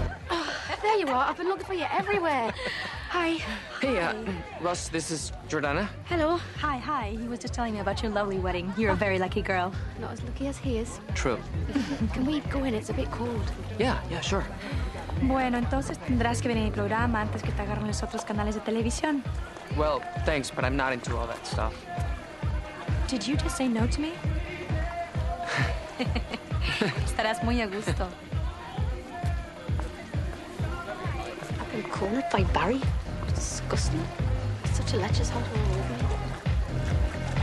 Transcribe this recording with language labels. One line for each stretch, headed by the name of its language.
English: Oh, there you are. I've been looking for you everywhere. Hi. Hey, Russ, this is Jordana. Hello. Hi. He was just telling me about your lovely wedding. You're a very lucky girl. Not as lucky as he is. True. Can we go in? It's a bit cold. Yeah, sure.
Spanish: Bueno, entonces tendrás que venir al programa antes que te agarren los otros canales de televisión.
English: Well, thanks, but I'm not into all that stuff. Did you just say no to me?
Spanish: Estarás muy a gusto.
English: And cornered by Barry? Disgusting. Such a lecher's hand all over me.